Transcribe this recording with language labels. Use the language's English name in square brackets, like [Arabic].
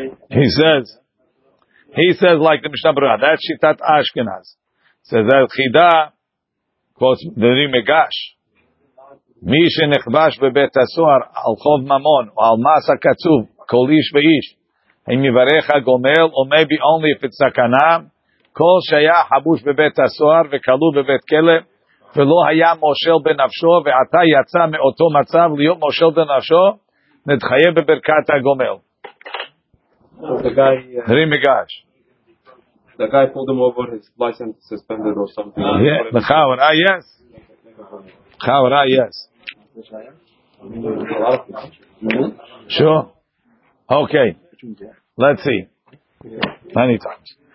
[English] He says like the Mishnah Berurah, that shitat Ashkenaz. Says that chida quotes the Rimegash. [Hebrew] מי שנחבש בבית הסוהר על חוב ממון או על מס הקצוב, כל איש ואיש, אם יברך הגומל, או [English] maybe only if it's [Hebrew] סכנה, כל שהיה חבוש בבית הסוהר וקלו בבית כלא, ולא היה מושל בנפשו, ועתה יצא מאותו מצב להיות מושל בנפשו, נתחיה בברכת הגומל. רימגש. [English] The guy pulled him over, his license suspended or something. Yeah, לחאורה, yes. לחאורה, yes. Sure. Okay. Let's see. Many times.